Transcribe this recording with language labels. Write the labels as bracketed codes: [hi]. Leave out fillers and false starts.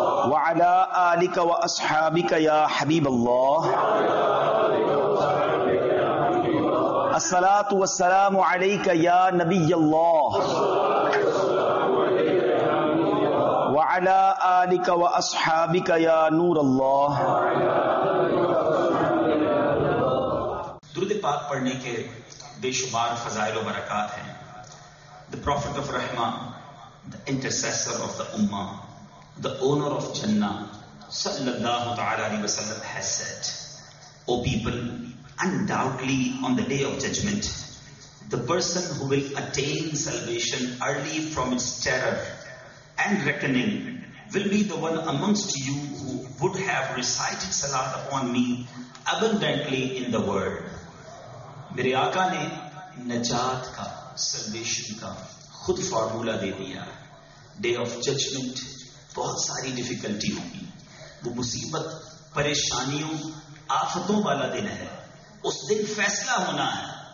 [ar] وعلى آلك وأصحابك يا حبيب الله الصلاة والسلام عليك يا نبي الله وعلى آلك وأصحابك يا نور الله [ur] درود پاک پڑھنے کے بے شمار فضائل و برکات ہیں. [en] The Prophet of Rahmah, the intercessor of the Ummah, the owner of Jannah, sallallahu ta'ala alayhi wa sallam has said, O people, undoubtedly on the day of judgment, the person who will attain salvation early from its terror and reckoning will be the one amongst you who would have recited salat upon me abundantly in the world. [ur] میرے آقا نے نجات کا salvation کا خود formula دے دیا. Day of judgment بہت ساری ڈیفیکلٹی ہوگی, وہ مصیبت پریشانیوں آفتوں والا دن ہے, اس دن فیصلہ ہونا ہے.